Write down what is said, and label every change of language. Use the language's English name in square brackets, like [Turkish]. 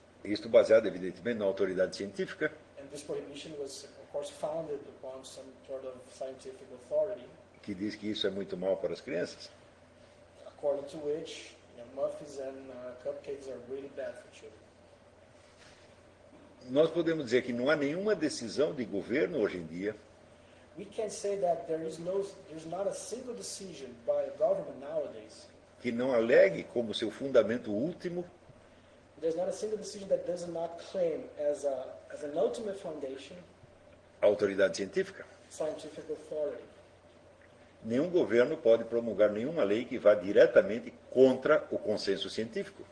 [Portuguese] Isto baseado evidentemente na autoridade científica. [English] And this prohibition was of course founded upon some sort of scientific authority. [Portuguese] Que diz que isso é muito mal para as crianças. [English] According to which, you know, muffins and cupcakes are really bad for children. [Portuguese] Nós podemos dizer que não há nenhuma decisão de governo hoje em dia. [English] We can say that there's not a single decision by a government nowadays. [Portuguese] Que não alegue como seu fundamento último. [English] There's not a single decision that does not claim as a as an ultimate foundation. [Portuguese] Autoridade científica. [English] Scientific authority. [Portuguese] Nenhum governo pode promulgar nenhuma lei que vá diretamente contra o consenso científico.